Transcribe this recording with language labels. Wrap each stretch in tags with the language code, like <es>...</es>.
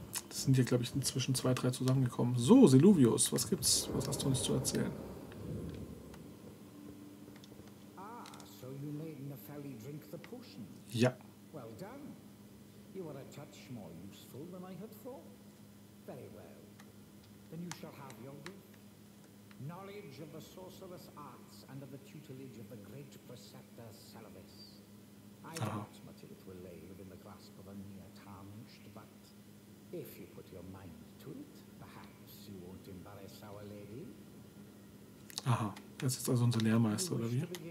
<de>Das sind ja, glaube ich, inzwischen zwei, drei zusammengekommen. So, Seluvius, was gibt's? Was hast du uns zu erzählen?</de> <en>Ah, so you made Nefeli drink the potion.</en> <de>Ja.</de> <en>Well done. You are a touch more useful than I had thought. Very well. Then you shall have your gift. Knowledge of the sorcerous arts under the tutelage of the great preceptor Celebes. I doubt much of it will lay within the grasp of a mere tarnished, but if you put your mind to it, perhaps you won't embarrass our lady.</en> <de>Aha, das ist also unser Lehrmeister, oder wie?</de>